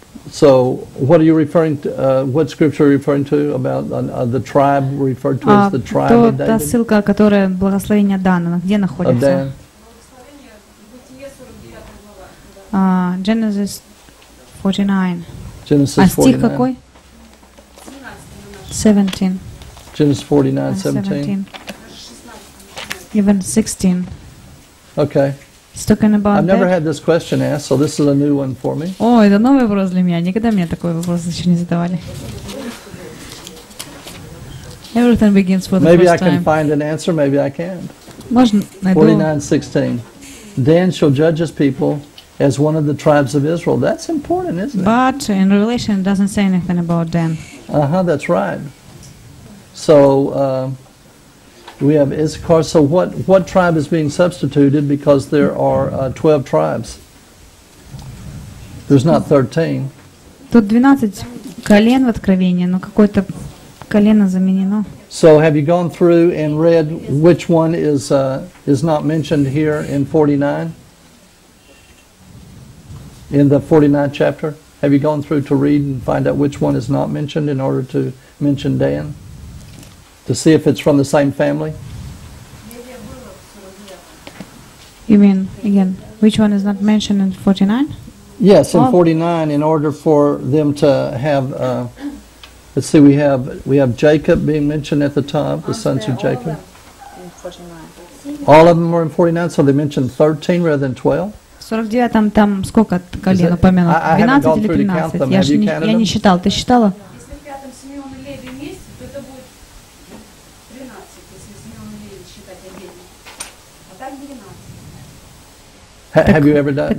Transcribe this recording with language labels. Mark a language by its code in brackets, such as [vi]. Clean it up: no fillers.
[en] So what are you referring to, what scripture are you referring to about the tribe referred to as the tribe of David? [ru] Та ссылка, которая благословение Дана, где находится? [en] Genesis 49. Genesis 49. [ru] А стих какой? 17. [en] Genesis 49, 17. Even 16. Okay. It's talking about I've never that. Had this question asked, so this is a new one for me. [ru] О, это новый вопрос для меня. Никогда мне такой вопрос еще не задавали. [en] Everything begins for the maybe first I time. Maybe I can find an answer, maybe I can't. [ru] Можно [en] 49:16. Dan shall judge his people as one of the tribes of Israel. That's important, isn't it? But in Revelation, it doesn't say anything about Dan. Uh-huh, that's right. So, we have Issachar. So, what tribe is being substituted because there are 12 tribes? There's not 13. [ru] Тут 12 колен в Откровении, но какое-то колено заменено. [en] So, have you gone through and read which one is not mentioned here in 49? In the 49th chapter, have you gone through to read and find out which one is not mentioned in order to mention Dan? To see if it's from the same family? You mean, again, which one is not mentioned in 49? Yes, in 49, in order for them to have, let's see, we have Jacob being mentioned at the top, the sons of Jacob. All of them are in 49, so they mentioned 13 rather than 12. [ru] В 49-м там сколько колен упомянуто? 12 или 13? Я не считал. Ты считала? Если в 5-м Симеон и Леви вместе, то это будет 13, если Симеон и Леви считать отдельно. А так 12. [en] Have you ever done that?